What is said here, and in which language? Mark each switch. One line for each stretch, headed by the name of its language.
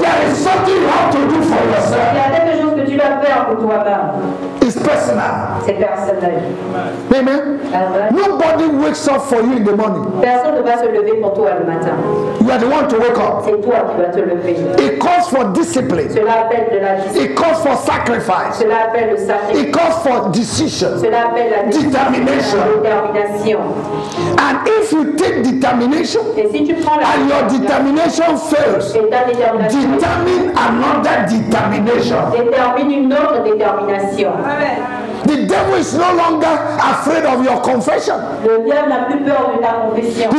English: There is something you have to do for yourself.
French: Il y a quelque chose que tu dois faire pour toi-même.
English: Personal.
French: C'est personnel. Amen. Amen.
English: Nobody wakes up for you in the morning.
French: Personne ne va se lever pour toi le matin.
English: You are the one to wake up.
French: C'est toi qui vas te lever.
English: It calls for discipline.
French: Cela appelle de la discipline.
English: It calls for sacrifice.
French: Cela appelle le sacrifice.
English: It calls for decision.
French: Cela appelle la
English: determination.
French: Détermination.
English: And if you take determination,
French: et si tu prends la
English: and your determination fails,
French: et ta détermination,
English: determine another determination.
French: Détermine une autre détermination.
English: The devil is no longer afraid of your confession.
French: Le diable n'a plus peur de ta confession.